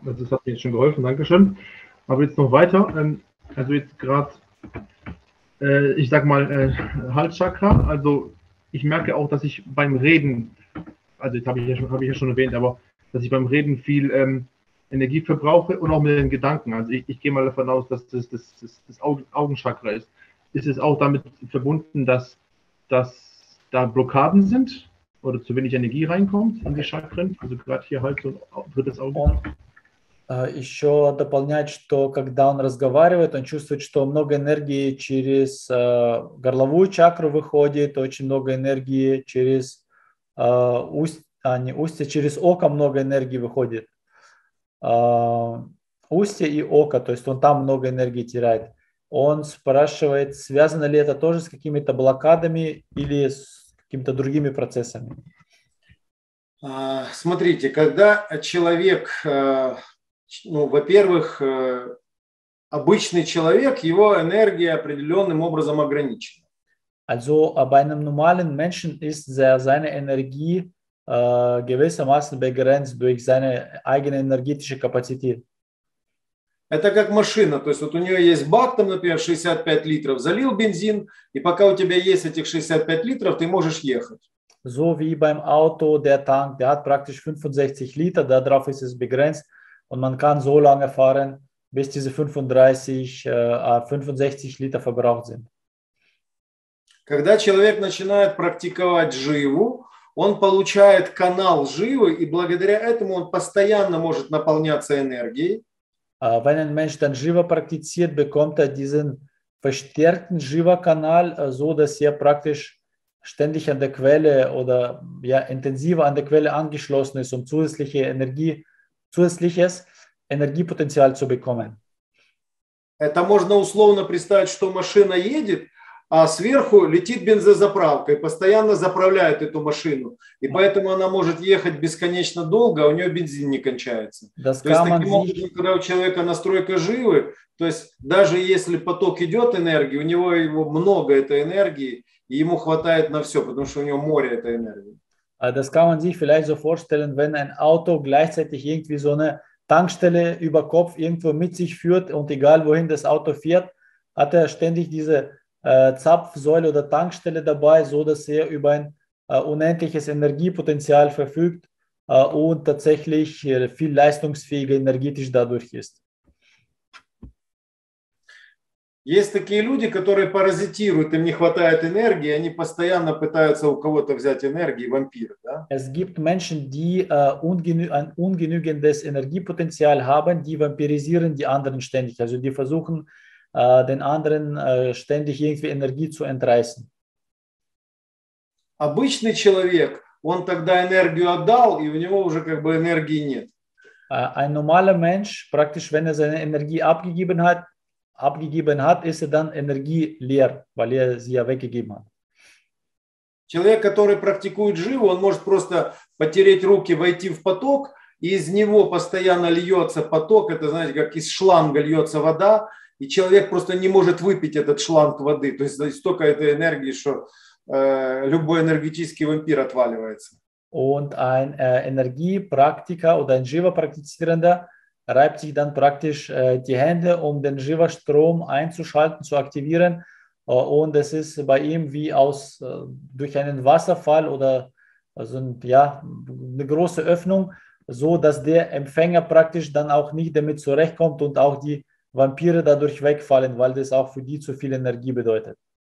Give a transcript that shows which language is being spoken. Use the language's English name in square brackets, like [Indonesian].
[German] Das hat mir jetzt schon geholfen, Dankeschön. Aber jetzt noch weiter, also jetzt gerade, ich sag mal, Halschakra, also ich merke auch, dass ich beim Reden, also jetzt habe ich ja schon erwähnt, aber dass ich beim Reden viel Energie verbrauche und auch mit den Gedanken. Also ich gehe mal davon aus, dass das Augenchakra ist. Ist es auch damit verbunden, dass da Blockaden sind oder zu wenig Energie reinkommt in die Chakren, also gerade hier halt so drittes Auge? [Russian] Еще дополнять, что когда он разговаривает, он чувствует, что много энергии через горловую чакру выходит, очень много энергии через устье, через око много энергии выходит. Устье и око, то есть он там много энергии теряет. Он спрашивает, связано ли это тоже с какими-то блокадами или с какими-то другими процессами. Смотрите, когда человек... Ну, во-первых, обычный человек, его энергия определенным образом ограничена. [German] Also bei einem normalen Menschen ist seine Energie gewissermaßen begrenzt durch seine eigene energetische Kapazität. [Russian] Это как машина, то есть вот у нее есть бак, там, например, 65 литров, залил бензин, и пока у тебя есть этих 65 литров, ты можешь ехать. [German] so wie beim Auto, der Tank, der hat praktisch 65 Liter, darauf ist es begrenzt und man kann so lange fahren, bis diese 65 Liter verbraucht sind. [Russian] Когда человек начинает практиковать живу, он получает канал живы, и благодаря этому он постоянно может наполняться энергией. [German] Wenn ein Mensch dann живо практиziert, bekommt diesen verstärkten живо-канал, so dass praktisch ständig an der Quelle oder intensiver an der Quelle angeschlossen ist, zusätzliche Energie, zusätzliches Energiepotenzial zu bekommen. [Russian] Это можно условно представить, что машина едет, а сверху летит бензозаправка и постоянно заправляет эту машину. И поэтому она может ехать бесконечно долго, а у нее бензин не кончается. Das то есть таким образом, sich... когда у человека настройка живы, то есть даже если поток идет энергии, у него его много этой энергии, и ему хватает на все, потому что у него море этой энергии. [German] Das kann man sich vielleicht so vorstellen, wenn ein Auto gleichzeitig irgendwie so eine Tankstelle über Kopf irgendwo mit sich führt und egal wohin das Auto fährt, hat ständig diese Zapfsäule oder Tankstelle dabei, so dass über ein unendliches Energiepotenzial verfügt und tatsächlich viel leistungsfähiger energetisch dadurch ist. [Russian] Есть такие люди, которые паразитируют, им не хватает энергии, они постоянно пытаются у кого-то взять энергии, вампиры, да? [German] Es gibt Menschen, die ein ungenügendes Energiepotenzial haben, die vampirisieren die anderen ständig, also die versuchen den anderen ständig irgendwie Energie zu entreißen. [Russian] Обычный человек, он тогда энергию отдал, и у него уже как бы энергии нет. [German] Ein normaler Mensch, praktisch, wenn seine Energie abgegeben hat, ist dann energieleer, weil sie ja weggegeben hat. [Russian] Человек, который практикует живу, он может просто потереть руки, войти в поток, и из него постоянно льется поток, это, знаете, как из шланга льется вода, и человек просто не может выпить этот шланг воды. То есть столько этой энергии, что любой энергетический вампир отваливается. [German] Und ein Energiepraktiker oder ein Jiva-Praktizierender reibt sich dann praktisch die Hände, den Jiva-Strom einzuschalten, zu aktivieren. Und es ist bei ihm wie durch einen Wasserfall oder eine große Öffnung, so dass der Empfänger praktisch dann auch nicht damit zurechtkommt und auch die Vampire dadurch wegfallen, weil das auch für die zu viel Energie bedeutet.